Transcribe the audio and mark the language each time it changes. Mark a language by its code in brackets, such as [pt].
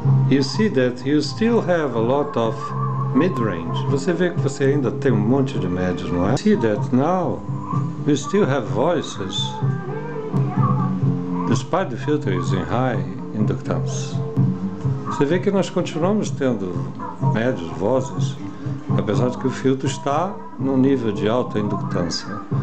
[en] You see that you still have a lot of mid-range. [pt] Você vê que você ainda tem um monte de médios, não é? [en] See that now you still have voices despite the filters in high inductance. [pt] Você vê que nós continuamos tendo médios, vozes, apesar de que o filtro está num nível de alta inductância.